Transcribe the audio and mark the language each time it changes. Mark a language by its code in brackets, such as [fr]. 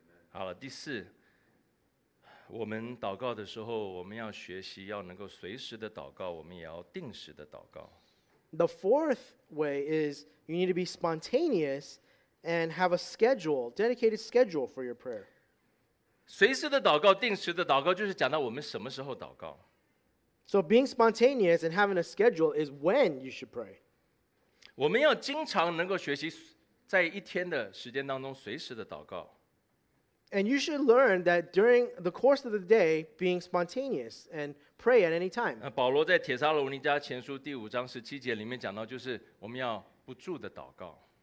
[zh] 好了，第四，我们祷告的时候，我们要学习要能够随时的祷告，我们也要定时的祷告。 [en] The fourth way is you need to be spontaneous and have a schedule, dedicated schedule for your prayer. [zh] 随时的祷告，定时的祷告，就是讲到我们什么时候祷告。 [en] So being spontaneous and having a schedule is when you should pray. [zh] 我们要经常能够学习在一天的时间当中随时的祷告。 [en] And you should learn that during the course of the day, being spontaneous and pray at any time. [zh] 保罗在帖撒罗尼迦前书第五章十七节里面讲到，就是我们要不住的祷告。